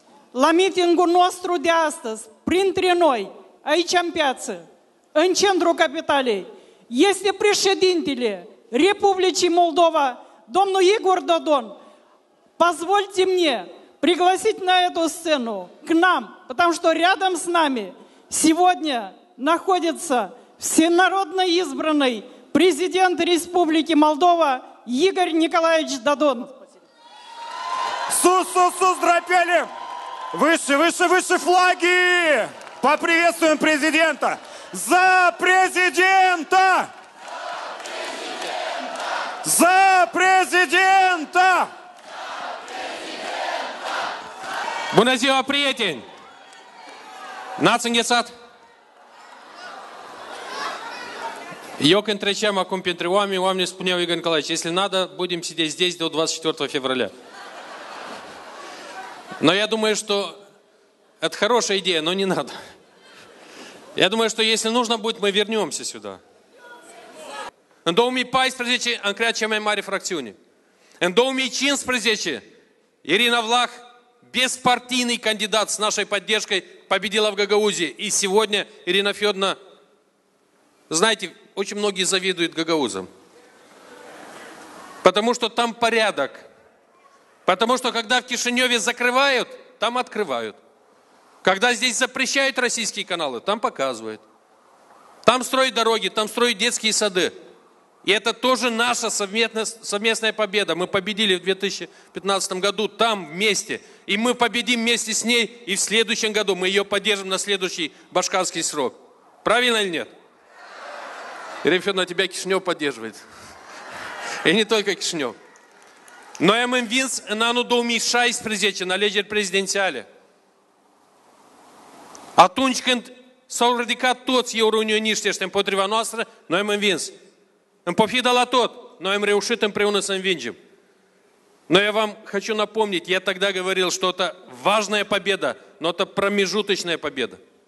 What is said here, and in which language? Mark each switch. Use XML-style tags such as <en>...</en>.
<ro>La mitingul nostru de astăzi, printre noi, aici în piață, în centrul capitalei, este președintele Republicii Moldova, domnul Igor Dodon.</ro> <ru>Позвольте мне пригласить на эту сцену к нам, потому что рядом с нами сегодня находится всенародно избранный президент Республики Молдова Игорь Николаевич Дадон.</ru> <ro>Сус, драпели!</ro> <ru>Выше флаги! Поприветствуем президента! За президента! За президента! За президента! За президента!</ru> <ro>Bună ziua, prieteni! Eu întrecem acum pentru oameni, oamenii spuneau,</ro> <ru>Игорь Николаевич, если надо, будем сидеть здесь до 24 февраля. Но я думаю, что это хорошая идея, но не надо. Я думаю, что если нужно будет, мы вернемся сюда.</ru> <ro>În 2014, am creat cea mai mare fracțiune.</ro> <ru>În 2015, Ирина Влах, беспартийный кандидат с нашей поддержкой, победила в Гагаузии. И сегодня Ирина Федоровна, знаете, очень многие завидуют гагаузам. Потому что там порядок. Потому что, когда в Кишиневе закрывают, там открывают. Когда здесь запрещают российские каналы, там показывают. Там строят дороги, там строят детские сады. И это тоже наша совместная победа. Мы победили в 2015 году там вместе. И мы победим вместе с ней и в следующем году. Мы ее поддержим на следующий башкирский срок. Правильно или нет? Ирина Федоровна, тебя Кишинев поддерживает. И не только Кишинев.</ru> <ro>Noi am învins în anul 2016, în alegeri prezidențiale. Atunci când s-au ridicat toți euro-unioniștii ăștia împotriva noastră, noi am învins. În pofida la tot, noi am reușit împreună să învingem.</ro> <ru>Но я вам хочу напомнить, я тогда говорил, что это важная победа, но это промежуточная победа.</ru>